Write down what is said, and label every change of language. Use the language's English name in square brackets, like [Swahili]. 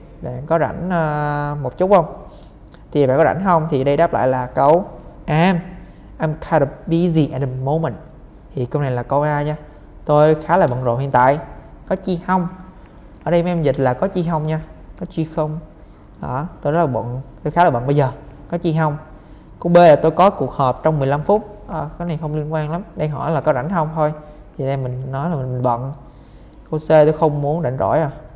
[Vietnamese] Bạn có rảnh một chút không? Thì bạn có rảnh không? Thì đây đáp lại là câu am. [English] I'm kind of busy at the moment. [Vietnamese] Thì câu này là câu A nha. Tôi khá là bận rộn hiện tại. Có chi không? Ở đây em dịch là có chi không nha. Có chi không? Đó, tôi rất là bận. Tôi khá là bận bây giờ. Có chi không? Câu B là tôi có cuộc họp trong 15 phút. Cái này không liên quan lắm. Đây hỏi là có rảnh không thôi. Thì đây mình nói là mình bận. Câu C tôi không muốn rảnh rỗi à.